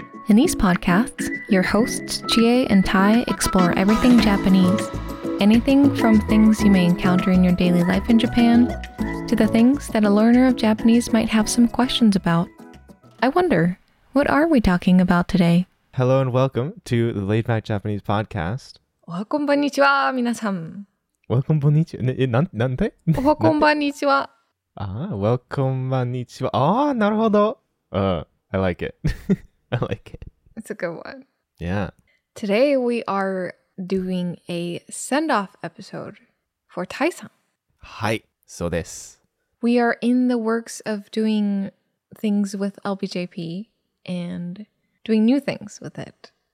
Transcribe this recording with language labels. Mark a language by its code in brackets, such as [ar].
[en] In these podcasts, your hosts, Chie and Tai, explore everything Japanese. Anything from things you may encounter in your daily life in Japan, to the things that a learner of Japanese might have some questions about. I wonder, what are we talking about today? Hello and welcome to the Laid Back Japanese podcast. [ja] おはこんばんにちは、皆さん。おはこんばんにちは。 [en] Welcome, ah, [ja] なるほど. [en] I like it. It's a good one. Yeah. Today we are doing a send-off episode for Tai-san. Hi, so this. We are in the works of doing things with LBJP and doing new things with it.